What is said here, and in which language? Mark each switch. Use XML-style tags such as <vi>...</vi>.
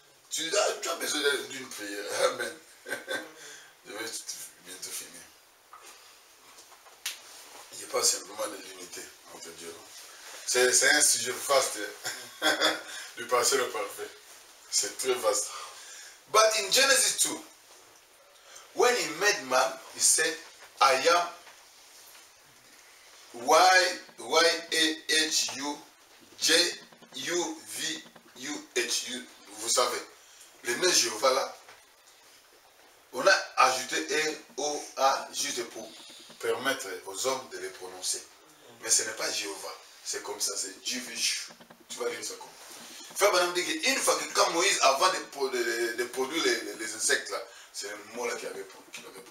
<fr>Tu as besoin d'une prière. Amen. Je vais bientôt finir. Il n'y a pas simplement de l'unité. C'est un sujet vaste du passé le parfait. C'est très vaste.</fr> <en>But in Genesis 2, when he made man, he said, I am YHWH.</en> <fr>Vous savez, le nom Jéhovah là, on a ajouté E-O-A juste pour permettre aux hommes de les prononcer. Mais ce n'est pas Jéhovah. C'est comme ça, c'est Jivish. Tu vas lire ça comme ça. Frère Branham dit qu'une fois que quand Moïse, avant de produire les insectes, là, c'est le mot là qu'il avait prononcé.</fr>